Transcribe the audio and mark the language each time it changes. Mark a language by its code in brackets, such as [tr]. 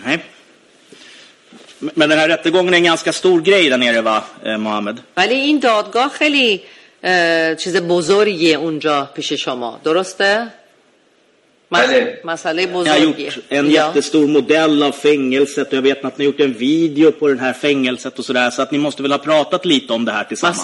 [fa] خیلی نه نه من این [sv] ganska stor grej där nere va Mohammed [fa] ولی این دادگاه خیلی چیز بزرگیه اونجا پیش شما درسته Masale [sv] bozorgi. Jag har gjort en jättestor modell av fängelset och jag vet att ni har gjort en video på den här fängelset och sådär, så att ni måste väl ha pratat lite om det här tillsammans.